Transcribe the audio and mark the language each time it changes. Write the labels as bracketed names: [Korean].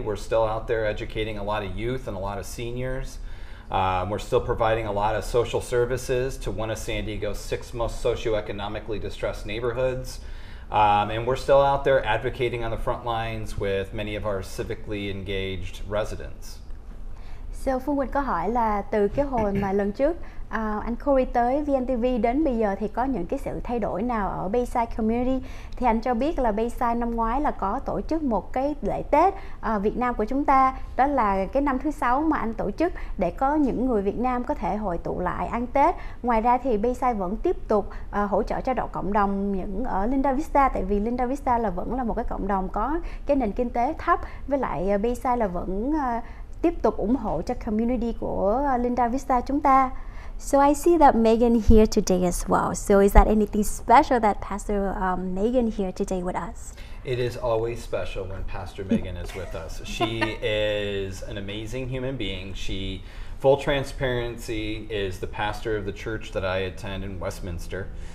[English] We're still out there educating a lot of youth and a lot of seniors. We're still providing a lot of social services to one of San Diego's six most socioeconomically distressed neighborhoods. And we're still out there advocating on the front lines with many of our civically engaged residents. [Vietnamese] So Phương Quỳnh có hỏi là từ cái hồi mà lần trước anh Corey tới VNTV đến bây giờ thì có những cái sự thay đổi nào ở Bayside Community, thì anh cho biết là Bayside năm ngoái là có tổ chức một cái lễ Tết Việt Nam của chúng ta, đó là cái năm thứ 6 mà anh tổ chức để có những người Việt Nam có thể hội tụ lại ăn Tết. Ngoài ra thì Bayside vẫn tiếp tục hỗ trợ cho cộng đồng những ở Linda Vista, tại vì Linda Vista là vẫn là một cái cộng đồng có cái nền kinh tế thấp, với lại Bayside là vẫn tiếp tục ủng hộ cho community của Linda Vista chúng ta. [English] So I see that Megan here today as well. So is that anything special that Pastor Megan here today with us? It is always special when Pastor Megan is with us. She is an amazing human being. She, full transparency, is the pastor of the church that I attend in Westminster.